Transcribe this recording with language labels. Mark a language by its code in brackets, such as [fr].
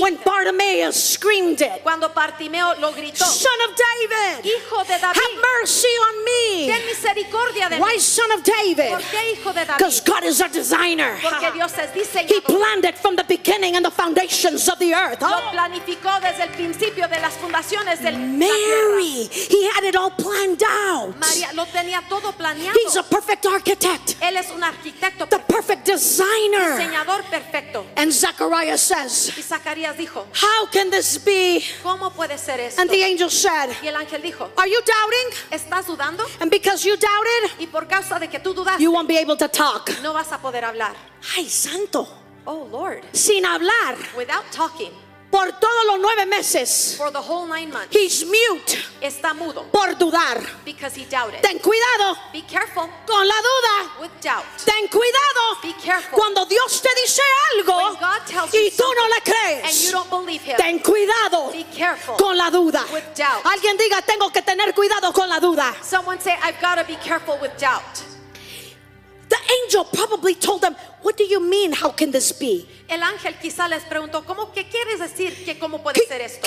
[en] When Bartimaeus screamed it, [es] cuando Bartimeo lo gritó, [en] son of David, [es] hijo de David, [en] have mercy on me. [es] Ten misericordia de mí. [en] Why son of David? [es] ¿Por qué hijo de David? [en] Because God is a designer. [es] Porque Dios es diseñador. [en] He planned it from the beginning and the foundations of the earth. [es] Lo planificó desde el principio de las fundaciones del [en] Mary, he had it all planned out. [es] María lo tenía todo planeado. [en] He's a perfect architect. [es] Él es un arquitecto. [en] The perfect designer. [es] Diseñador perfecto. [en] And Zechariah says, [es] y Zacarías dijo, [en] how can this be? [es] ¿Cómo puede ser esto? [en] And the angel said, [es] y el ángel dijo, [en] are you doubting? [es] ¿Estás dudando? [en] And because you doubted, [es] y por causa de que tú dudaste, [en] you won't be able to talk. [es] No vas a poder hablar. Ay, santo. [en] Oh Lord. [es] Sin hablar. [en] Without talking. [es] Por todos los nueve meses. [en] For the whole 9 months. [es] He's mute. [en] Está mudo. [es] Por dudar. [en] Because he doubted. [es] Ten cuidado. [en] Be careful. [es] Con la duda. [en] With doubt. [es] Ten cuidado. [en] Be careful. [es] Cuando Dios te dice algo. [en] When God tells [es] y tú no le crees. [en] And you don't believe him. [es] Ten cuidado. [en] Be careful. [es] Con la duda. [en] With doubt. [es] Alguien diga, tengo que tener cuidado con la duda. [en] Someone say, I've got to be careful with doubt. The angel probably told them, what do you mean, how can this be? [es] El ángel quizá les preguntó, ¿cómo, qué quieres decir que cómo puede ser esto?